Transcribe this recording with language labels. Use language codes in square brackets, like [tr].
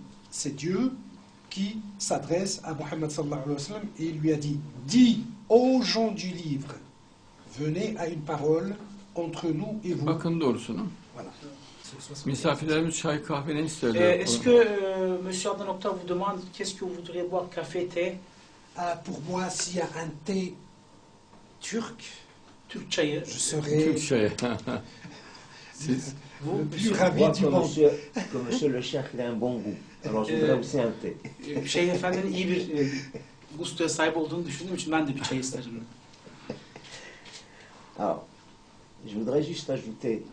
[fr] C'est Dieu qui s'adresse à Mohammed [ar] sallallahu alayhi wa sallam [fr] et lui a dit « Dis aux gens du livre, venez à une parole entre nous et vous. » [tr] Bakın doğrusunu. [fr] Voilà. [tr] Misafirlerimiz çay kahve ne istiyorlar? [fr] Est-ce que monsieur Adnan Oktar vous demande qu'est-ce que vous voudriez boire, café, thé? Pour moi, s'il y a un thé turc, [tr] Türk çayı, [fr] je serai [tr] Türk çayı. [fr] Vous, le plus ravi du monde. Monsieur, que monsieur le cheikh ait un bon goût. Alors je voudrais aussi un thé. [tr] Şeyh Efendi'nin iyi bir gustoya sahip olduğunu düşündüğüm için ben de bir çay isterim. [fr] Alors, je voudrais juste ajouter.